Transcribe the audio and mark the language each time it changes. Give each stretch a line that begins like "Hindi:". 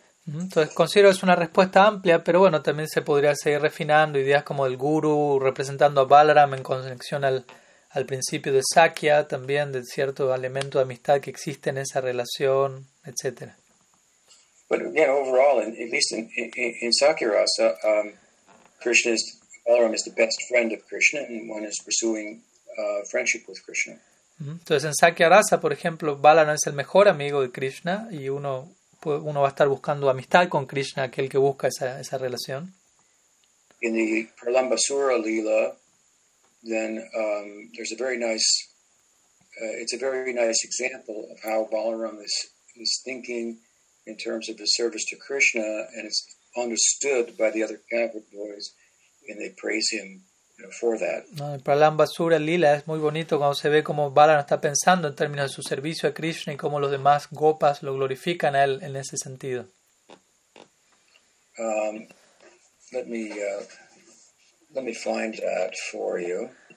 Spanish: Entonces considero es una respuesta amplia, pero bueno, también se podría seguir refinando ideas como el guru representando a Balaram en conexión al principio de Sakya, también de cierto elemento de amistad que existe en esa relación, etc.
English: But yeah, overall, at least in Sakya Rasa, Krishna is Balaram is the best friend of Krishna, and one is pursuing friendship with Krishna.
Spanish: Entonces en Sakya Rasa, por ejemplo, Balaram es el mejor amigo de Krishna y uno va a estar buscando amistad con Krishna, aquel que busca esa relación.
English: In the Pralambasura Lila, then there's a very nice, it's a very nice example of how Balaram is thinking in terms of the service to Krishna, and it's understood by the other Kavit boys, and they praise him, you know, for that.
Spanish: No, el Pralambasura Lila es muy bonito cuando se ve cómo Balaram está pensando en términos de su servicio a Krishna y cómo los demás gopas lo glorifican a él en ese sentido.
English: Let me find that for you.